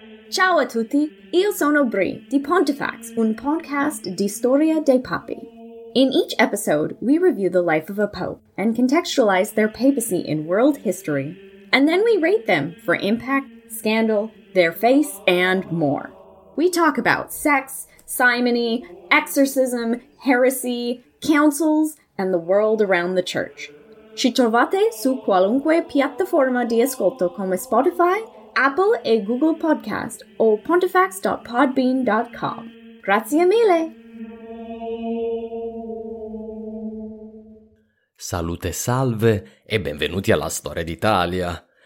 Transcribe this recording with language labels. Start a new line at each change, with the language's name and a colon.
Italian: Ciao a tutti, io sono Bri di Pontifax, un podcast di Storia dei Papi.
English: In each episode, we review the life of a pope and contextualize their papacy in world history, and then we rate them for impact, scandal, their face, and more. We talk about sex, simony, exorcism, heresy, councils, and the world around the church.
Italian: Ci trovate su qualunque piattaforma di ascolto come Spotify, Apple e Google Podcast o pontifax.podbean.com. Grazie mille! Salute, salve e benvenuti alla Storia d'Italia.